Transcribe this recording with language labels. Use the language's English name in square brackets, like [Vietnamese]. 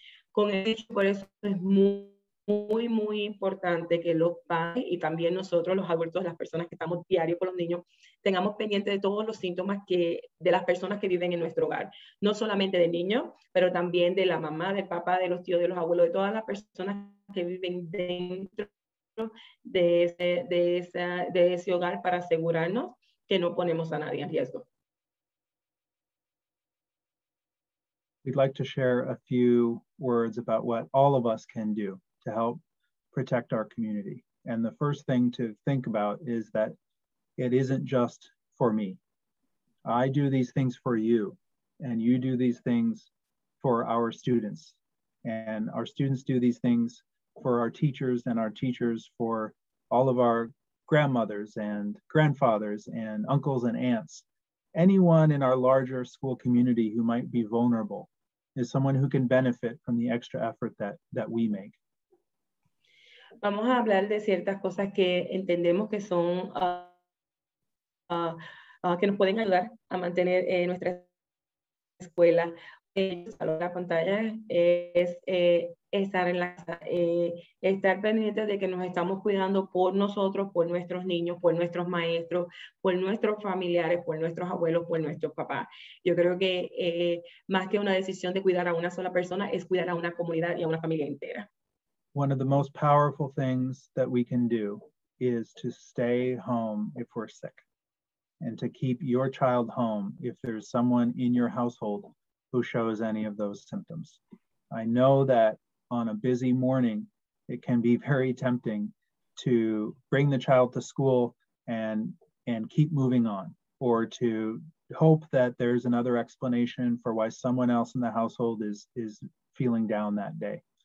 [Spanish] Con eso, por eso es muy muy, muy importante que los padres y también nosotros, los adultos, las personas que estamos diario con los niños, tengamos pendiente de todos los síntomas que, de las personas que viven en nuestro hogar. No solamente del niño, pero también de la mamá, del papá, de los tíos, de los abuelos, de todas las personas que viven dentro de ese hogar para asegurarnos que no ponemos a nadie en riesgo. [English] We'd like to share a few words about what all of us can do to help protect our community. And the first thing to think about is that it isn't just for me. I do these things for you, and you do these things for our students. And our students do these things for our teachers, and our teachers for all of our grandmothers and grandfathers and uncles and aunts. Anyone in our larger school community who might be vulnerable is someone who can benefit from the extra effort that we make. [Spanish] Vamos a hablar de ciertas cosas que entendemos que son que nos pueden ayudar a mantener nuestra escuela. La pantalla es estar en la casa, estar pendiente de que nos estamos cuidando por nosotros, por nuestros niños, por nuestros maestros, por nuestros familiares, por nuestros abuelos, por nuestros papás. Yo creo que más que una decisión de cuidar a una sola persona, es cuidar a una comunidad y a una familia entera. [English] One of the most powerful things that we can do is to stay home if we're sick, and to keep your child home if there's someone in your household who shows any of those symptoms. I know that on a busy morning, it can be very tempting to bring the child to school and keep moving on, or to hope that there's another explanation for why someone else in the household is feeling down that day.